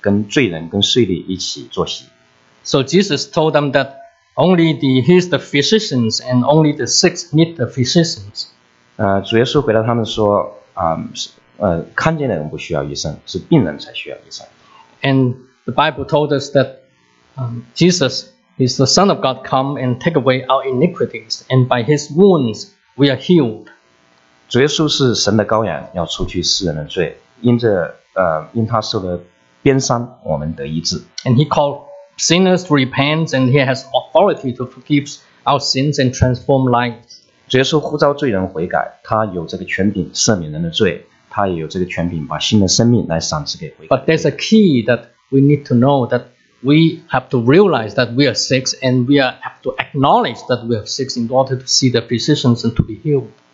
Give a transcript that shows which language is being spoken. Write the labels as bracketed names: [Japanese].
[Chinese] 法利赛人却来控告耶稣说，你怎么跟罪人、跟税吏一起坐席？ [English] So Jesus told them that only he's the physicians and only the sick need the physicians. [Chinese] 主耶稣回答他们说，看见的人不需要医生，是病人才需要医生。 [English] And the Bible told us that Jesus is the Son of God come and take away our iniquities, and by his wounds we are healed. [Chinese] 主耶稣是神的羔羊，要除去世人的罪，因他受了鞭伤，我们得医治。 [English] And he called sinners to repent, and he has authority to forgive our sins and transform lives. [Chinese] 主耶稣呼召罪人悔改，他有这个权柄赦免人的罪，他也有这个权柄把新的生命来赏赐给悔改。 [English] But there's a key that we need to know, that we have to realize that we are sick, and we have to acknowledge that we are sick in order to see the physicians and to be healed.